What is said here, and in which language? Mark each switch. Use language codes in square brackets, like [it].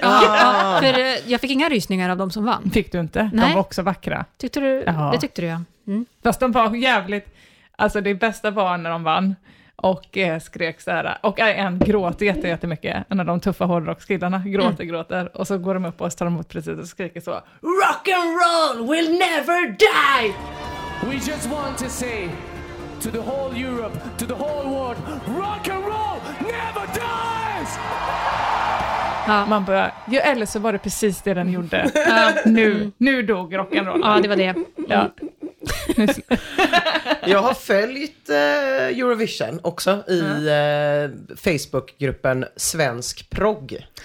[sv] Ja, för jag fick inga rysningar av de som vann. Fick du inte? Nej. De var också vackra. Tyckte du? Aha. Det tyckte du, ja. Fast de var jävligt, alltså det bästa var när de vann och skrek så här. Och en gråter jättemycket, en av de tuffa hårdrockskillarna gråter, gråter. Och så går de upp och tar emot precis och skriker så: [en] Rock and roll will never die! We just want to say to the whole Europe, to the whole world, rock and roll never dies! [sv] Ja. Man börjar, ja, eller så var det precis det den gjorde. Ja. Nu dog rock and roll. Ja, det var det. Ja. Jag har följt Eurovision också i Facebookgruppen Svensk Progg.